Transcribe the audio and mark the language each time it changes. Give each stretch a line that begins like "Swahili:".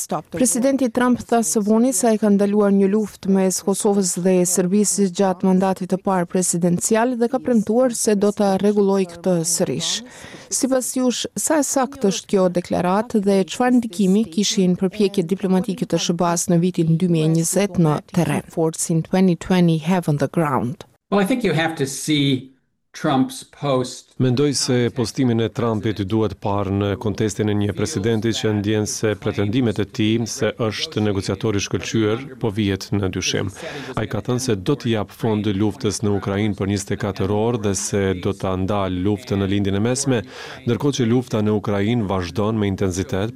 Albanian: Presidenti Trump tha së vuni se ai ka ndaluar një luftë mes Kosovës dhe Serbisë gjatë mandatit të parë presidencial dhe ka premtuar se do ta rregulloj këtë sërish. Sipas jush, sa e sakt është kjo deklaratë dhe çfarë ndikimi kishin përpjekjet diplomatike të SBA-s në vitin 2020 në terren?
English: Forcing 2020 have on the ground. Well, I think you have to see Trump's post.
Albanian: Mendoj se postimin e Trumpit duhet parë në kontestin e një presidenti që ndjen se pretendimet e tij se është negociator i shkëlqyer po vihet në dyshim. Ai ka thënë se do të jap fond luftës në Ukrainë për 24 orë dhe se do ta ndalë luftën në Lindjen e Mesme, ndërkohë që lufta në Ukrainë vazhdon me intensitet.